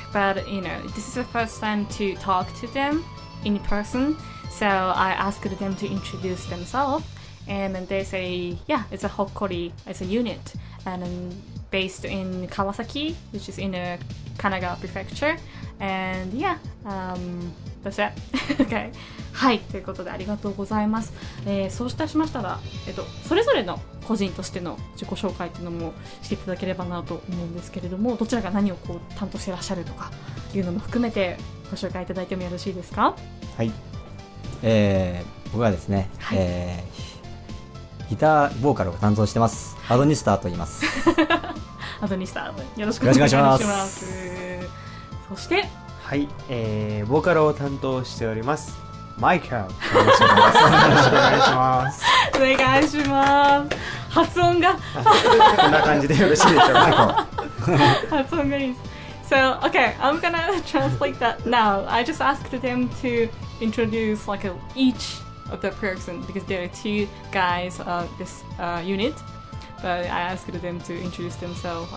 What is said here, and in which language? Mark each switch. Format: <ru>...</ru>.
<en>But you know, this is the first time to talk to them in person, so I asked them to introduce themselves, and they say, yeah, it's a Hokkori, it's a unit, and based in Kawasaki, which is in a Kanagawa Prefecture, and yeah, that's it. Okay.</en> <ja>はい、ということでありがとうございます。そうしたしましたら、それぞれの個人としての自己紹介というのもしていただければなと思うんですけれども、どちらが何をこう担当していらっしゃるとかいうのも含めてご紹介いただいてもよろしいですか？はい。僕はですね、はい、ギターボーカルを担当してます。アドニスターと言います。アドニスター、よろしくお願いします。そしてはい、ボーカルを担当しておりますマイカル、よろしくお願いします。お願いします。発音がこんな感じでよろしいでしょうか。マイカル発音がいいです。</ja> <en>So okay, I'm gonna translate that now. I just asked them to introduce like each of the person because there are two guys of this unit, but I asked them to introduce themselves.</en>